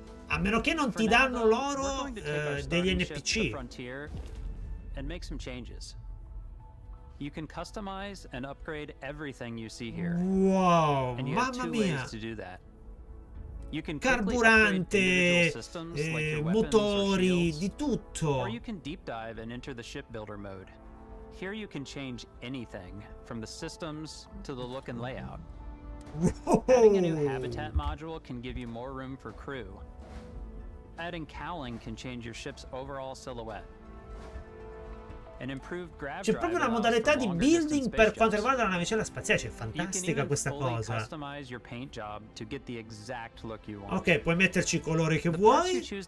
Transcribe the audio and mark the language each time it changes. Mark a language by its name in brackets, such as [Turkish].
[Italian] A meno che non ti danno loro degli NPC. [English] You can customize and upgrade everything you see here. [Italian] Wow, mamma mia. [English] You can [Italian] carburante, motori, di tutto. [English] Or you can deep dive and enter the ship builder mode. Here you can change anything from the systems to the look and layout. Adding a new habitat module can give you more room for crew. Adding cowling can change your ship's overall silhouette. [Italian] C'è proprio una modalità di building per quanto riguarda la navicella spaziale. C'è fantastica questa cosa. Ok, puoi metterci i colori che vuoi.